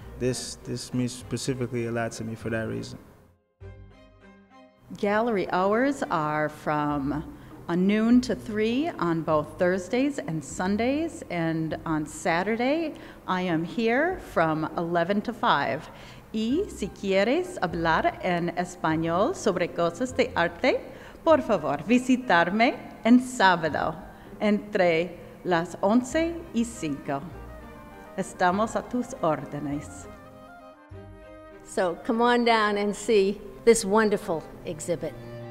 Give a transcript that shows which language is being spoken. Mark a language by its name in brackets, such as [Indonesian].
[English] This means specifically a lot to me for that reason. Gallery hours are from noon to 3 on both Thursdays and Sundays, and on Saturday I am here from 11 to 5. [Spanish] Y si quieres hablar en español sobre cosas de arte, por favor visitarme en sábado entre las 11 y 5. Estamos a tus órdenes. [English] So come on down and see this wonderful exhibit.